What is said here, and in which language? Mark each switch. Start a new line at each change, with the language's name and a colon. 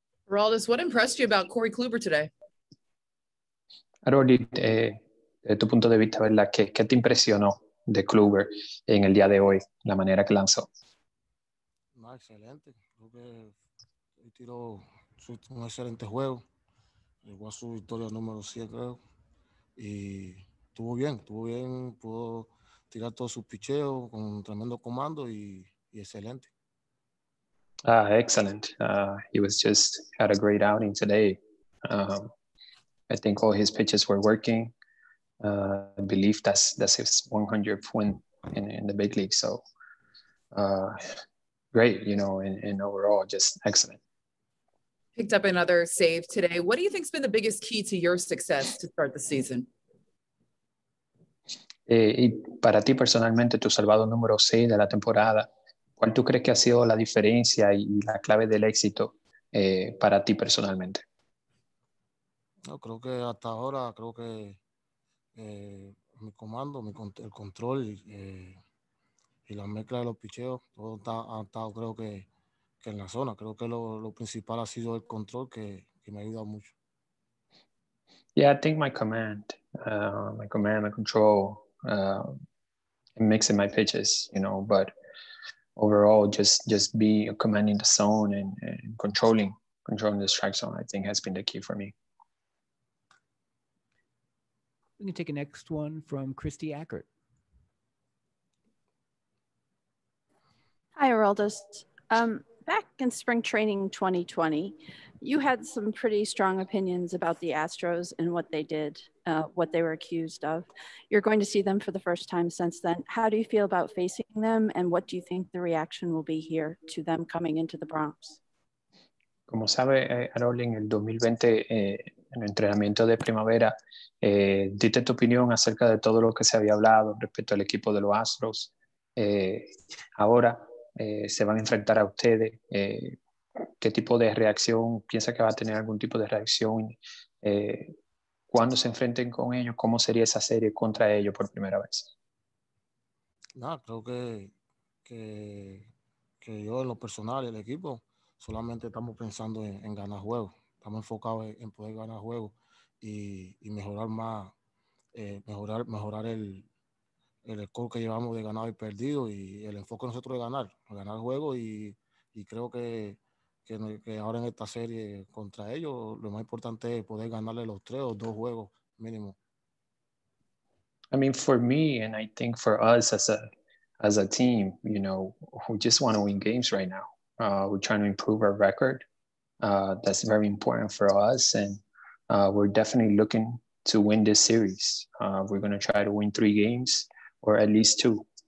English: Aroldis, what impressed you about Corey Kluber today?
Spanish: Aroldis, de tu punto de vista, ¿verdad? ¿Qué te impresionó de Kluber en el día de hoy, la manera que lanzó? No, excelente. Creo que tiró un excelente juego. Llegó a su victoria número 7, creo. Y estuvo bien. Pudo tirar todos sus picheos con un tremendo comando y excelente.
English: Ah, excellent. He was just had a great outing today. I think all his pitches were working. I believe that's his 100th win in the big league. So great, you know, and overall, just excellent. Picked up another save today. What do you think has been the biggest key to your success to start the season?
Spanish: Y para ti personalmente, tu salvado número 6 de la temporada, ¿cuál tú crees que ha sido la diferencia y la clave del éxito para ti personalmente? No, creo que hasta ahora, creo que mi comando, el control y la mezcla de los picheos, todo ha estado creo que en la zona. Creo que lo principal ha sido el control que me ha ayudado mucho.
English: Yeah, I think my command, my control, mixing my pitches, you know, but overall, just be commanding the zone and controlling the strike zone, I think has been the key for me. We can take a next one from Christy Ackert. Hi, Aroldis. Back in spring training 2020, you had some pretty strong opinions about the Astros and what they did, what they were accused of. You're going to see them for the first time since then. How do you feel about facing them, and what do you think the reaction will be here to them coming into the Bronx?
Spanish: Como sabe, Harold, en el 2020, en el entrenamiento de primavera, diste tu opinión acerca de todo lo que se había hablado respecto al equipo de los Astros. Ahora, se van a enfrentar a ustedes. ¿Qué tipo de reacción piensa que va a tener algún tipo de reacción cuando se enfrenten con ellos? ¿Cómo sería esa serie contra ellos por primera vez? No, creo que yo en lo personal y el equipo solamente estamos pensando en ganar juegos. Estamos enfocados en poder ganar juegos y mejorar más, mejorar el score que llevamos de ganado y perdido y el enfoque nosotros de ganar juego y creo que ahora en esta serie contra ellos lo más importante es poder ganarle los tres o dos juegos mínimo.
English: I mean, for me, and I think for us as a team, you know, we just want to win games right now. We're trying to improve our record. That's very important for us, and we're definitely looking to win this series. We're going to try to win 3 games or at least 2.